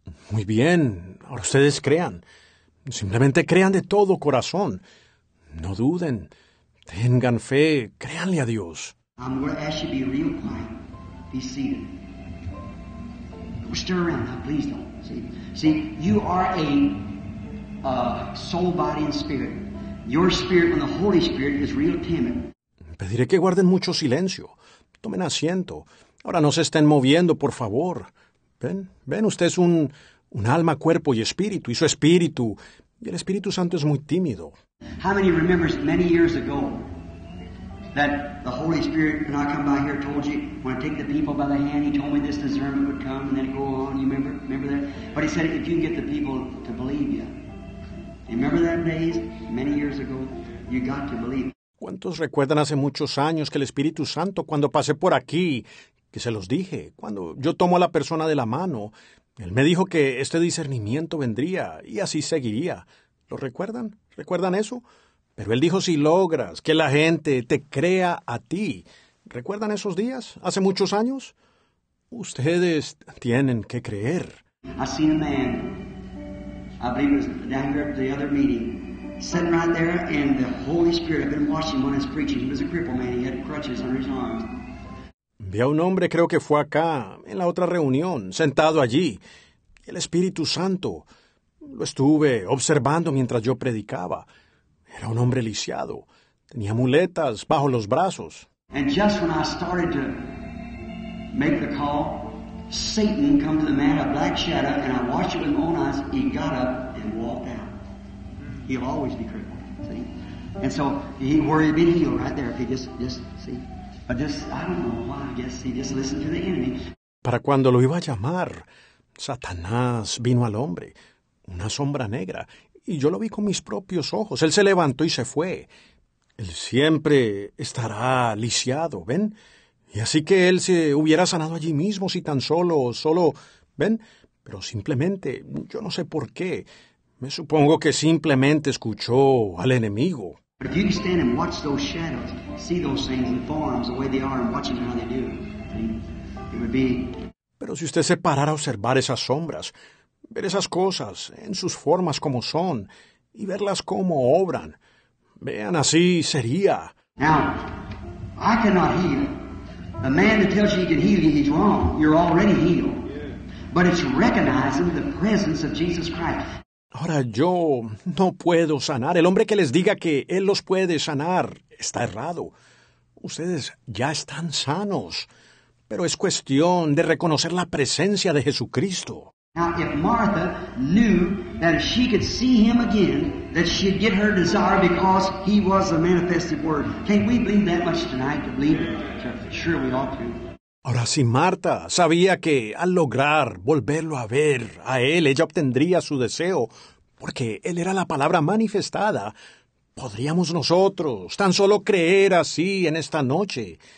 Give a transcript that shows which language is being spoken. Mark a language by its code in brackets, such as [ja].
[es] Muy bien, ahora ustedes crean. Simplemente crean de todo corazón. No duden. Tengan fe, créanle a Dios. [en] I'm going to ask you to be real quiet. Be seated. Don't stir around now, please don't. See, you are a soul, body, and spirit. Your spirit and the Holy Spirit is real timid. [es] Pediré que guarden mucho silencio. Tomen asiento. Ahora no se estén moviendo, por favor. Ven, usted es un alma, cuerpo y espíritu, y su espíritu. Y el Espíritu Santo es muy tímido. [en] How many remembers many years ago that the Holy Spirit, when I come by here, told you, when I take the people by the hand, he told me this discernment would come and then go on. You remember? Remember that? But he said, if you can get the people to believe you. You remember that days? Many years ago, you got to believe. [es] ¿Cuántos recuerdan hace muchos años que el Espíritu Santo, cuando pasé por aquí, que se los dije, cuando yo tomo a la persona de la mano, él me dijo que este discernimiento vendría y así seguiría? ¿Lo recuerdan? ¿Recuerdan eso? Pero él dijo, si logras que la gente te crea a ti, ¿recuerdan esos días, hace muchos años? Ustedes tienen que creer. [en] I seen a man, I believe it was down here at the other meeting, sitting right there in the Holy Spirit. I've been watching when he was preaching. He was a crippled man. He had crutches under his arms. [es] Vi a un hombre, creo que fue acá, en la otra reunión, sentado allí. El Espíritu Santo. Lo estuve observando mientras yo predicaba. Era un hombre lisiado. Tenía muletas bajo los brazos. [en] And just when I started to make the call, Satan came to the man, a black shadow, and I watched it with my own eyes. He got up and walked out. He'll always be crippled, see? And so he worried, be healed right there. If he just see? But just, I don't know why, I guess he just listened to the enemy. [es] Para cuando lo iba a llamar, Satanás vino al hombre, una sombra negra, y yo lo vi con mis propios ojos. Él se levantó y se fue. Él siempre estará lisiado, ¿ven? Y así que él se hubiera sanado allí mismo, si tan solo, ¿ven? Pero simplemente, yo no sé por qué, me supongo que simplemente escuchó al enemigo. [en] But if you can stand and watch those shadows, see those things and forms the way they are and watching how they do, it would be... [es] Pero si usted se parara a observar esas sombras, ver esas cosas en sus formas como son y verlas como obran, vean, así sería. [en] Now, I cannot heal. The man that tells you he can heal you, he's wrong. You're already healed. But it's recognizing the presence of Jesus Christ. [es] Ahora yo no puedo sanar. El hombre que les diga que él los puede sanar está errado. Ustedes ya están sanos, pero es cuestión de reconocer la presencia de Jesucristo. [en] Now, if Martha knew that if she could see him again, that she'd get her desire because he was the manifested word. Can't we believe that much tonight to believe it? Sure, we ought to. [es] Ahora, si Marta sabía que al lograr volverlo a ver a él, ella obtendría su deseo, porque él era la palabra manifestada, ¿podríamos nosotros tan solo creer así en esta noche?